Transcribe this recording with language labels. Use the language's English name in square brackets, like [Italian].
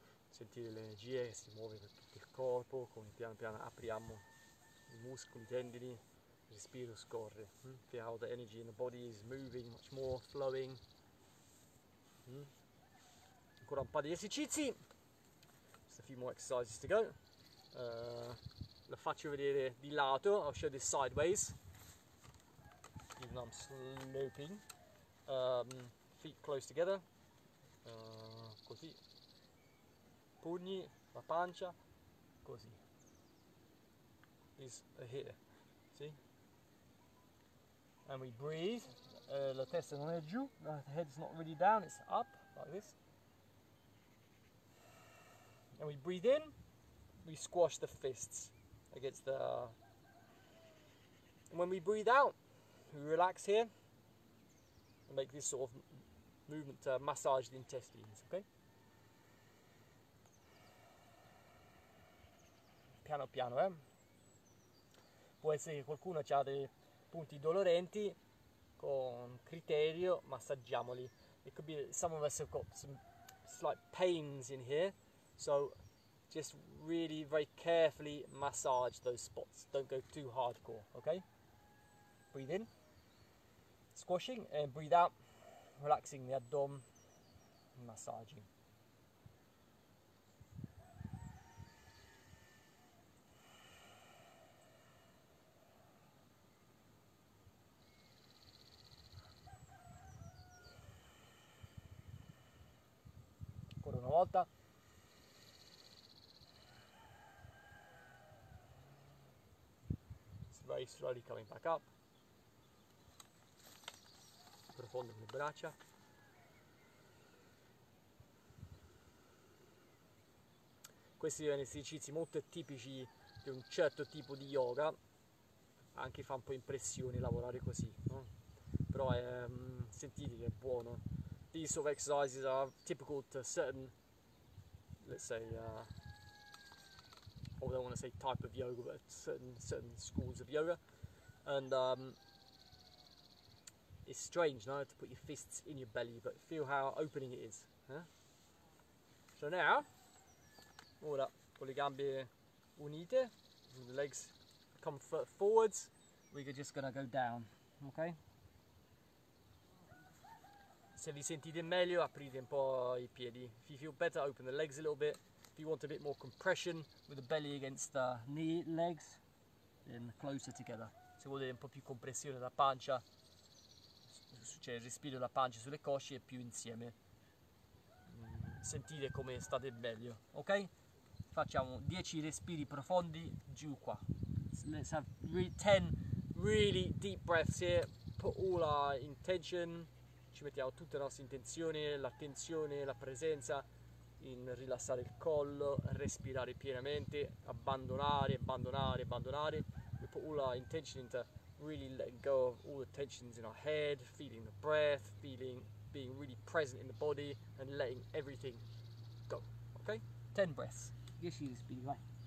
[Italian] Sentire l'energia che si muove per tutto il corpo, come piano piano apriamo i muscoli, i tendini. Respiro scorre. [English] Feel how the energy in the body is moving, much more flowing. [Italian] Ancora un paio di esercizi. [English] Just a few more exercises to go. [Italian] Lo faccio vedere di lato. [English] I'll show this sideways. Even though I'm sloping. Feet close together. [Italian] Così. Pugni, la pancia. Così. [English] Is here. See? And we breathe [Italian] La testa non è giù, [English] the head's not really down, it's up, like this. And we breathe in, we squash the fists against the... And when we breathe out, we relax here, and make this sort of movement to massage the intestines, okay? [Italian] Piano piano, Può essere che qualcuno ha dei punti dolorenti, con criterio massaggiamoli. [English] It could be that some of us have got some slight pains in here, so just really very carefully massage those spots. Don't go too hardcore, okay? Breathe in, squashing, and breathe out, relaxing the abdomen, massaging. [Italian] Una volta. [English] It's very slowly coming back up. [Italian] Profondo le braccia. Questi sono esercizi molto tipici di un certo tipo di yoga. Anche fa un po' impressione lavorare così, no? Però sentite che è buono. [English] These sort of exercises are typical to certain, let's say, I don't want to say type of yoga, but certain schools of yoga. And it's strange, no, to put your fists in your belly, but feel how opening it is. So now, [Italian] ora, con le gambe unite, [English] the legs come forwards, we're just going to go down, okay? [Italian] Se vi sentite meglio, aprite un po' I piedi. [English] If you feel better, open the legs a little bit. If you want a bit more compression with the belly against the knee legs, then closer together. [Italian] Se volete un po' più compressione della pancia, cioè il respiro della pancia sulle cosce, e più insieme. Sentite come state meglio, ok? Facciamo 10 respiri profondi giù qua. [English] Let's have 10 really deep breaths here. Put all our intention. [Italian] Ci mettiamo tutte le nostre intenzioni, l'attenzione, la presenza in rilassare il collo, respirare pienamente, abbandonare. [English] We put all our intention into really letting go of all the tensions in our head, feeling the breath, feeling being really present in the body and letting everything go. Okay? 10 breaths. Yes, you just be right.